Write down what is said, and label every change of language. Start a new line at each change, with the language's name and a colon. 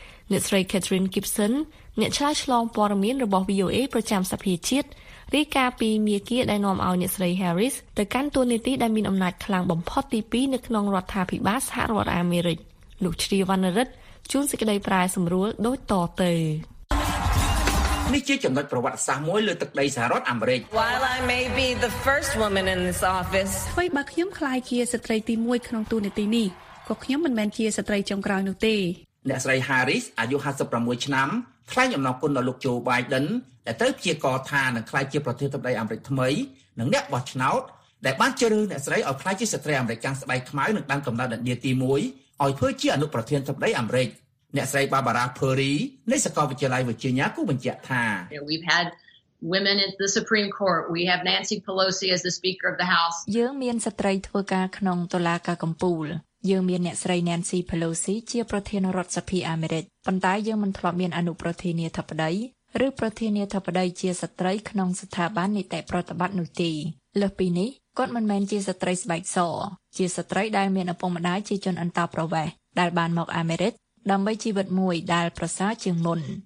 Khmer: អ្នកស្រី Catherine Gibson អ្នកឆ្លើយឆ្លងព័ត៌មានរបស់ VOA ប្រចាំសភាជាតិរីការពីមេគីដែលនាំឲ្យអ្នកស្រី Harris ទៅកាន់តួនាទីដែលមានអំណាចខ្លាំងបំផុតទី2នៅក្នុងរដ្ឋាភិបាលសហរដ្ឋអាមេរិកលោកជ្រីវណ្ណរិទ្ធជួនសេចក្តីប្រែសម្រួលដូចតទៅ នេះជាចំណុចប្រវត្តិសាស្ត្រមួយលើទឹកដីសហរដ្ឋអាមេរិក
English: While I may be the first woman in this office
Khmer: ហើយបើខ្ញុំខ្លាយជាស្ត្រីទី1ក្នុងតួនាទីនេះក៏ខ្ញុំមិនមែនជាស្ត្រីចុងក្រោយនោះទេ អ្នកស្រី Harris អាយុ56ឆ្នាំថ្លែងអំណរគុណដល់លោកជូបៃដិនដែលត្រូវជាកោថានឹងក្លាយជាប្រធានាធិបតីអាមេរិកថ្មីនិងអ្នកបោះឆ្នោតដែលបានជ្រើសអ្នកស្រីឲ្យក្លាយជាស្ត្រីអាមេរិកកាន់ស្បែកខ្មៅនឹងបានកំណត់ដំណាក់ទី1ឲ្យធ្វើជាអនុប្រធានាធិបតីអាមេរិកអ្នកស្រី Barbara Perry នៃសាកលវិទ្យាល័យ Virginia គូបញ្ជាក់ថា
English: We've had women at the Supreme Court we have Nancy Pelosi as the speaker of the house
Khmer: យើងមានស្ត្រីធ្វើការក្នុងតុលាការកំពូលយើងមានអ្នកស្រី Nancy Pelosi ជាប្រធានរដ្ឋសភាអាមេរិកប៉ុន្តែយើងមិនធ្លាប់មានអនុប្រធានាធិបតីឬប្រធានាធិបតីជាស្ត្រីក្នុងស្ថាប័ននីតិប្រតិបត្តិនោះទេលើសពីនេះគាត់មិនមែនជាស្ត្រីស្បែកសជាស្ត្រីដែលមានឪពុកម្ដាយជាជនអន្តោប្រវេសន៍ដែលបានមកអាមេរិកដើម្បីជីវិតមួយដែលប្រសើរជាងមុន